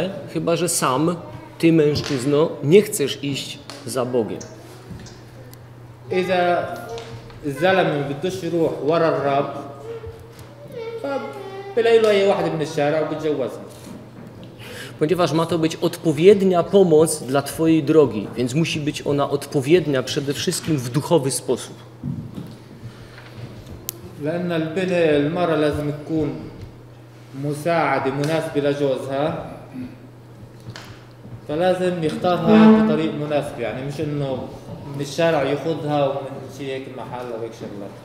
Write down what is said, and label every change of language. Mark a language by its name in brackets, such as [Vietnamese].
[Polish] Chyba że sam ty mężczyzno nie chcesz iść za Bogiem. Jeśli [Arabic] zalem بدوش يروح ورا الرب بلاقي له اي واحد من الشارع وبتجوزني. [Polish] Ponieważ ma to być odpowiednia pomoc dla twojej drogi, więc musi być ona odpowiednia przede wszystkim w duchowy sposób. [Arabic] لان البنت المرأة لازم تكون مساعدة مناسبة لجوزها فلازم يختارها بطريق مناسب يعني مش انه من الشارع يخذها ومن شيء هيك محل او هيك شغلات.